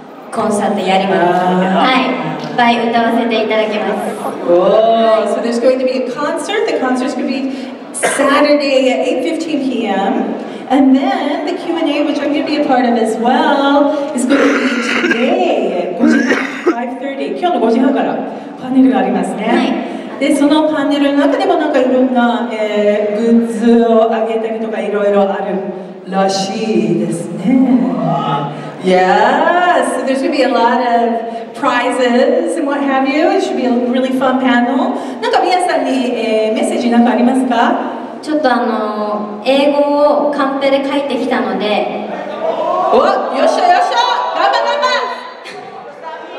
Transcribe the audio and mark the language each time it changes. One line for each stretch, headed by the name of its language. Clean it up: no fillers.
Japanese: コンサートやります。はい。
English: So there's going to be a concert. The concert's going to be Saturday at 8:15 p.m. And then the Q&A, which I'm going to be a part of as well, is going to be today at 5:30.
Japanese: 今日の 5時半からパネルがありますね。で、そのパネルの中でもなんかいろんな、グッズをあげたりとかいろいろあるらしいですね。
English: Yes, so there's going to be a lot of prizes and what have you. It should be a really fun panel.
Japanese: なんか皆さんに、メッセージなんかありますか？ちょっとあの英語をカンペで書いてきたので、お、よっしゃよっしゃ、頑張れ頑張